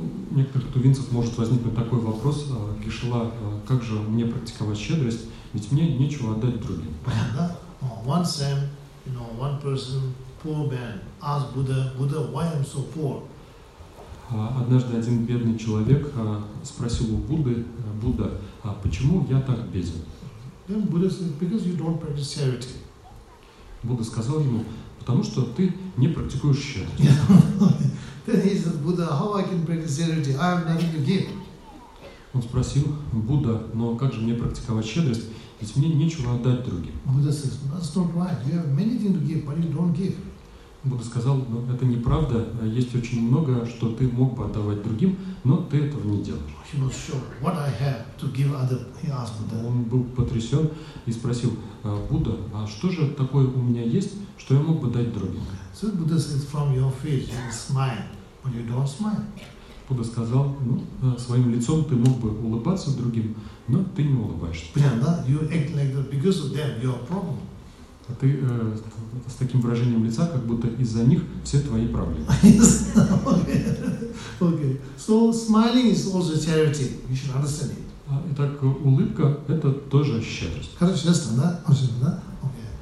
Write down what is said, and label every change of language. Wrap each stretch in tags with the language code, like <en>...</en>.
<ru>Некоторых тувинцев может возникнуть такой вопрос, Кришла, как же мне практиковать щедрость, ведь мне нечего отдать другим.</ru> <en>One Sam, you know, one person, poor man, asked Buddha, Buddha, why I'm so poor?</en> <ru>Однажды один бедный человек спросил у Будды, Будда, а почему я так беден?</ru> <en>Then Buddha said, because you don't practice charity.</en> <ru>Будда сказал ему, потому что ты не практикуешь щедрость.</ru> <en>Then he said, Buddha, how I can practice charity? I have nothing to give.</en> <ru>Он спросил Будда, но как же мне практиковать щедрость, ведь мне нечего отдать другим.</ru> <en>Buddha says, that's not right. You have many things to give, but you don't give.</en> <ru>Будда сказал, но это неправда. Есть очень много, что ты мог бы отдавать другим, но ты этого не делаешь.</ru> <en>He was sure, what I have to give other? He asked Buddha.</en> <ru>Он был потрясен и спросил Будда, а что же такое у меня есть, что я мог бы дать другим?</ru> <en>So Buddha says, from your face you smile, but you don't smile.</en> <ru>Будда сказал, ну, своим лицом ты мог бы улыбаться другим, но ты не улыбаешься. Понятно,</ru> <en>you act like that because of them, your problem.</en> <ru>А ты с таким выражением лица, как будто из-за них все твои проблемы.</ru> <en>Okay. So smiling is also charity. You should understand it.</en> <ru>Итак, улыбка – это тоже щедрость. Короче, честно, да? Очень, да? Окей.</ru>